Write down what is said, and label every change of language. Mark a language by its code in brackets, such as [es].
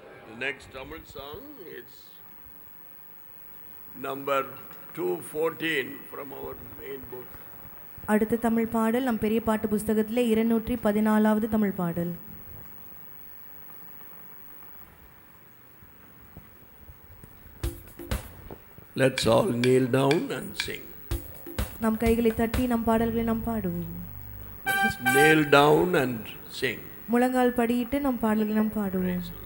[en] The next Tamil song is number 214 from our main book. [ta] அடுத்த தமிழ் பாடல் நம் பெரிய பாட்டு புத்தகத்திலே 214வது தமிழ் பாடல். [en] Let's all kneel down and sing. [ta] நம் கைகளை தட்டி நம் பாடல்களை நாம் பாடுவோம். [en] Let's kneel down and sing. [ta] முழங்கால் படியிட்டு நம் பாடல்களை நாம் பாடுவோம்.